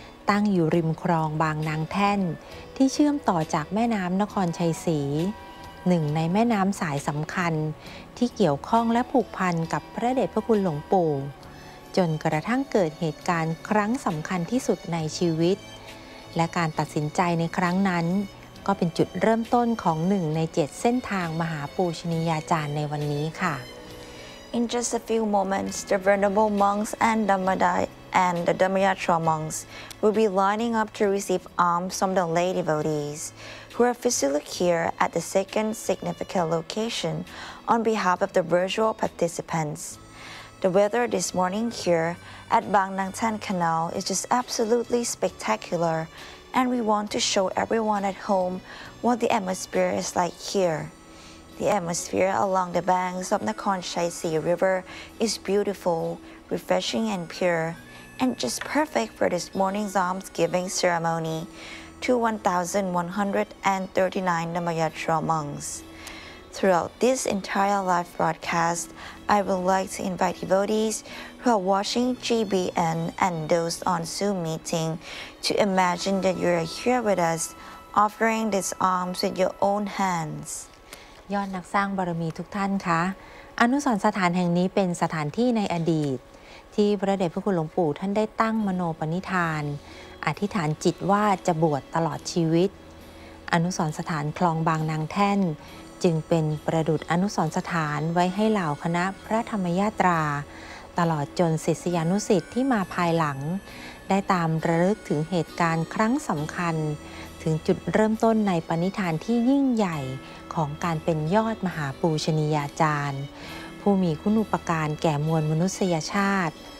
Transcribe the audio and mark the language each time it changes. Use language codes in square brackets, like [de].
[th] ตั้งอยู่ริมคลองบางนางแท่นที่เชื่อมต่อจากแม่น้ำนครชัยศรีหนึ่งในแม่น้ำสายสำคัญที่เกี่ยวข้องและผูกพันกับพระเดชพระคุณหลวงปู่จนกระทั่งเกิดเหตุการณ์ครั้งสำคัญที่สุดในชีวิตและการตัดสินใจในครั้งนั้นก็เป็นจุดเริ่มต้นของ1ใน7เส้นทางมหาปูชนียาจารย์ในวันนี้ค่ะ [en] In just a few moments the venerable monks and Dhammadai and the Dhammayatra monks will be lining up to receive alms from the lay devotees who are physically here at the second significant location on behalf of the virtual participants The weather this morning here at Bang Nang Than Canal is just absolutely spectacularAnd we want to show everyone at home what the atmosphere is like here. The atmosphere along the banks of the Nakhon Chai Si River is beautiful, refreshing and pure, and just perfect for this morning's almsgiving ceremony to 1,139 Dhammayatra monks. Throughout this entire live broadcast, I would like to invite devotees who are watching GBN and those on Zoom meeting to imagine that you are here with us, offering these alms with your own hands. [th] ยอดนักสร้างบารมีทุกท่านคะอนุสรณ์สถานแห่งนี้เป็นสถานที่ในอดีตที่พระเดชพระคุณหลวงปู่ท่านได้ตั้งมโนปณิธานอธิษฐานจิตว่าจะบวชตลอดชีวิต อนุสรณ์สถานคลองบางนางแท่นจึงเป็นประดุจอนุสรณ์สถานไว้ให้เหล่าคณะพระธรรมยาตราตลอดจนศิษยานุศิษย์ที่มาภายหลังได้ตามระลึกถึงเหตุการณ์ครั้งสำคัญถึงจุดเริ่มต้นในปณิธานที่ยิ่งใหญ่ของการเป็นยอดมหาปูชนียาจารย์ผู้มีคุณูปการแก่มวลมนุษยชาติ